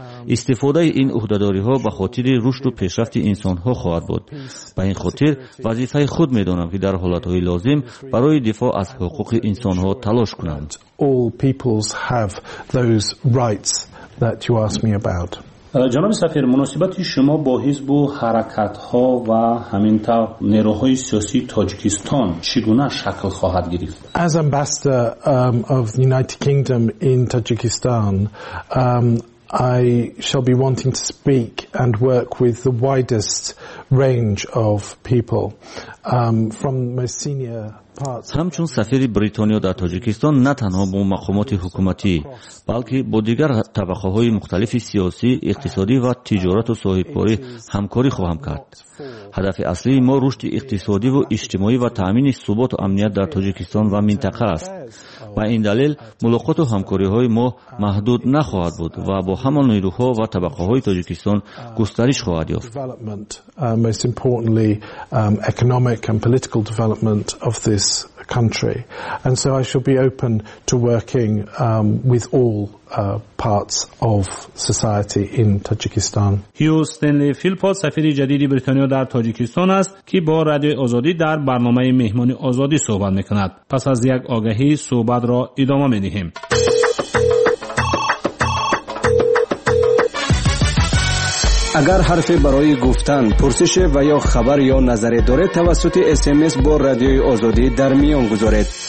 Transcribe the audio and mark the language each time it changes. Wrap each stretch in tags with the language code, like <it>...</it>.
<fa>استفاده این عهده‌داری ها به خاطر رشد و پیشرفت انسان ها خواهد بود. به این خاطر وظیفه خود می دانم که در حالات های لازم برای دفاع از حقوق انسان ها تلاش کنم.</fa> <en>All peoples have those rights that you asked me about.</en> <fa>جناب سفیر، مناسبت شما با حزب و حرکت ها و همینطور نیروهای سیاسی تاجیکستان چگونه شکل خواهد گرفت؟</fa> <en>As ambassador of the United Kingdom in Tajikistan, I shall be wanting to speak and work with the widest range of people from most senior parts.</en> <fa>همچون سفیر بریتانیا در تاجیکستان نه تنها با مقامات حکومتی بلکه با دیگر طبقه های مختلف سیاسی، اقتصادی و تجارت و صاحبکاری همکاری خواهم کرد. هدف اصلی ما رشد اقتصادی و اجتماعی و تامین ثبات و امنیت در تاجیکستان و منطقه است. با این دلیل ملاقات و همکاری های ما محدود نخواهد بود و با همان نیروها و طبقه های تاجیکستان گسترش خواهد یافت.</fa> <en>Most importantly, economic and political development of this country. And so I shall be open to working with all parts of society in Tajikistan.</en> <fa>هیو استنلی فیلپوت سفیر جدید بریتانیا در تاجیکستان است که با رادیو آزادی در برنامه مهمانی آزادی صحبت میکند. پس از یک آگهی صحبت را ادامه میدهیم. اگر حرفی برای گفتن، پرسش و یا خبر یا نظری دارید، توسط SMS با رادیوی آزادی در میان گذارید.</fa>